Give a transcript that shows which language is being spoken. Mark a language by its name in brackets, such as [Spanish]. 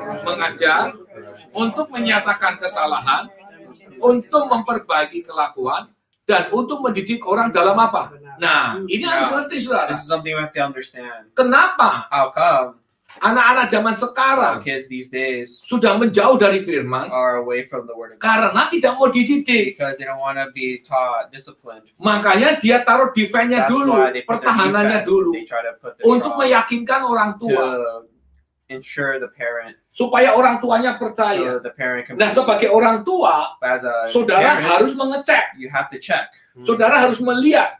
[Indonesian] Mengajar, untuk menyatakan kesalahan, untuk memperbaiki kelakuan, dan untuk mendidik orang dalam apa? Nah, ini harus ngerti, saudara. [English] This is something we have to understand. [Indonesian] Kenapa? [English] How come? [Indonesian] Anak-anak zaman sekarang [English] kids these days [Indonesian] sudah menjauh dari firman [English] are away from the word of God. [Indonesian] Karena tidak mau dididik. [English] Because they don't want to be taught, disciplined. [Indonesian] Makanya dia taruh defense-nya dulu, pertahanannya dulu, untuk meyakinkan orang tua. [English] Ensure the parent, [Indonesian] supaya orang tuanya percaya. [English] So the parent can [Indonesian] nah, sebagai orang tua, saudara [English] parent, [Indonesian] harus mengecek. [English] You have to check. [Indonesian] Saudara harus melihat.